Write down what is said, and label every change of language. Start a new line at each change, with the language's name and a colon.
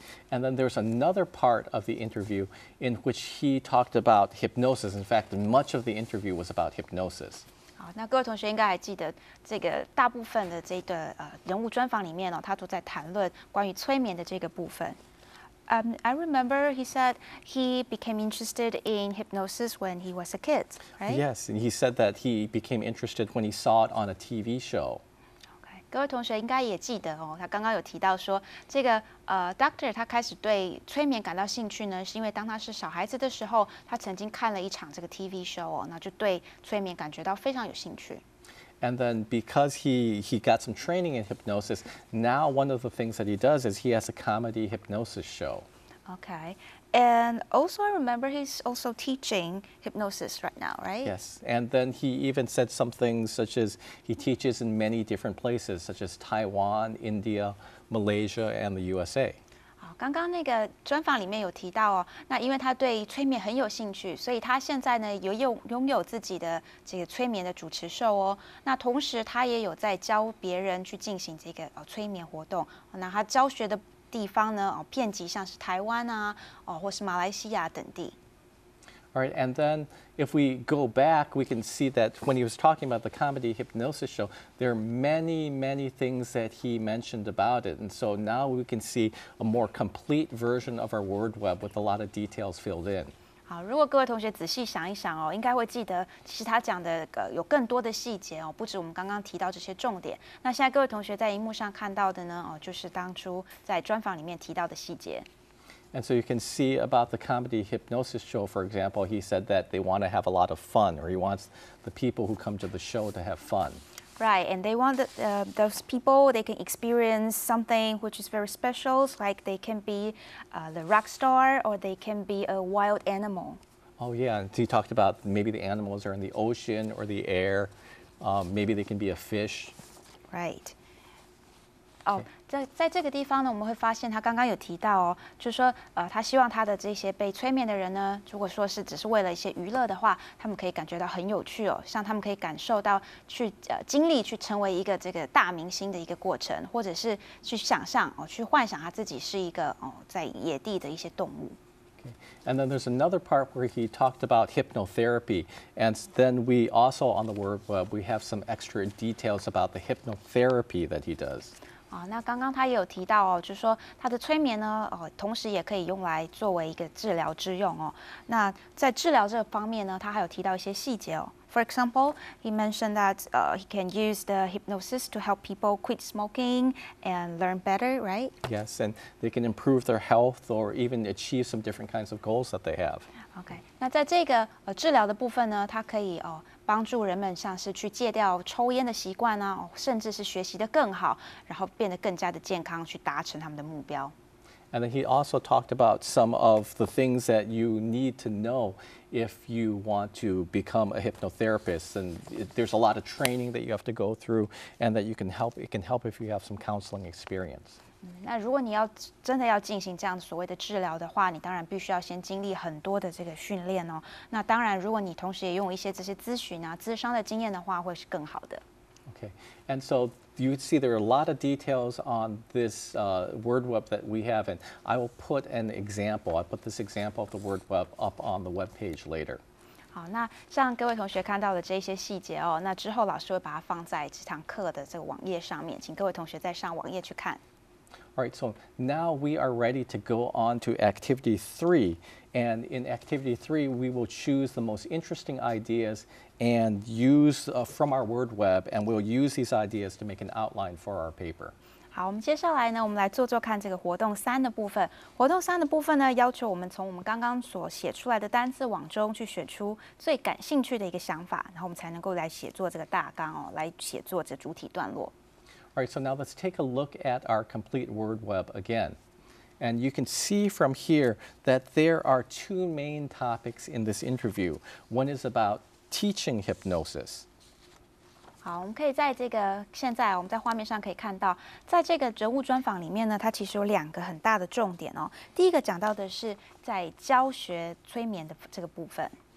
English: And then there's another part of the interview in which he talked about hypnosis. In fact, much of the interview was about hypnosis.
Chinese: 好，那各位同学应该还记得，这个大部分的这个、人物专访里面、哦、他都在谈论关于催眠的这个部分。
English: I remember he said he became interested in hypnosis when he was a kid, right? Yes, and he said that he became interested when he saw it on a TV show.
Chinese: Okay, 各位同学应该也记得哦，他刚刚有提到说，这个doctor 他开始对催眠感到兴趣呢，是因为当他是小孩子的时候，他曾经看了一场这个 TV show 哦，那就对催眠感觉到非常有兴趣。
English: And then because he got some training in hypnosis, now one of the things that he does is he has a comedy hypnosis show. Okay. And also I remember he's also teaching hypnosis right now, right? Yes. And then he even said some things such as he teaches in many different places, such as Taiwan, India, Malaysia, and the USA.
Chinese: 刚刚那个专访里面有提到哦，那因为他对催眠很有兴趣，所以他现在呢拥有自己的这个催眠的主持秀哦。那同时他也有在教别人去进行这个催眠活动。那他教学的地方呢哦，遍及像是台湾啊哦，或是马来西亚等地。
English: All right, and then if we go back, we can see that when he was talking about the comedy hypnosis show, there are many, many things that he mentioned about it. And so now we can see a more complete version of our word web with a lot of details filled in.
Chinese: 好，如果各位同学仔细想一想哦，应该会记得，其实他讲的、有更多的细节哦，不止我们刚刚提到这些重点。那现在各位同学在荧幕上看到的呢，哦，就是当初在专访里面提到的细节。
English: And so you can see about the comedy hypnosis show, for example, he said that they want to have a lot of fun, or he wants the people who come to the show to have fun. Right, and they want those people, they can experience something which is very special, like they can be the rock star, or they can be a wild animal. Oh yeah, and he talked about maybe the animals are in the ocean or the air, maybe they can be a fish. Right.
Chinese: 在这个地方呢，我们会发现他刚刚有提到哦，就是说，他希望他的这些被催眠的人呢，如果说是只是为了一些娱乐的话，他们可以感觉到很有趣哦，像他们可以感受到去经历去成为一个这个大明星的一个过程，或者是去想象哦，去幻想他自己是一个哦在野地的一些动物。
English: And then there's another part where he talked about hypnotherapy. And then we also on the word web we have some extra details about the hypnotherapy that he does.
Chinese: 哦、那刚刚他也有提到、哦、就是说他的催眠呢、同时也可以用来作为一个治疗之用、哦、那在治疗这方面呢他还有提到一些细节、哦、
English: For example, he mentioned that he can use the hypnosis to help people quit smoking and learn better, right? Yes, and they can improve their health or even achieve some different kinds of goals that they have.
Chinese: Okay, 那在这个、治疗的部分呢他可以、帮助人们像是去戒掉抽烟的习惯啊、哦、甚至是学习得更好然后变得更加的健康去达成他们的目标。
English: And then he also talked about some of the things that you need to know if you want to become a hypnotherapist. And there's a lot of training that you have to go through and that you can help, it can help if you have some counseling experience.
Chinese: 那如果你要真的要进行这样所谓的治疗的话，你当然必须要先经历很多的这个训练哦。那当然，如果你同时也用一些这些咨询啊、咨商的经验的话，会是更好的。
English: Okay, and so you see there are a lot of details on this word web that we have, and I will put an example. I'll put this example of the word web up on the web page later.
Chinese: 好，那像各位同学看到的这些细节哦，那之后老师会把它放在这堂课的这个网页上面，请各位同学再上网页去看。
English: All right, so now we are ready to go on to activity three. And in activity three, we will choose the most interesting ideas and use from our word web, and we'll use these ideas to make an outline for our paper.
Chinese: 好，我们接下来呢，我们来做做看这个活动三的部分。活动三的部分呢，要求我们从我们刚刚所写出来的单字网中去选出最感兴趣的一个想法，然后我们才能够来写作这个大纲哦，来写作这主体段落。
English: All right, so now let's take a look at our complete word web again. And you can see from here that there are two main topics in this interview. One is about teaching hypnosis.
Chinese: 好，我们可以在这个现在我们在画面上可以看到，在这个人物专访里面呢，它其实有两个很大的重点哦。第一个讲到的是在教学催眠的这个部分。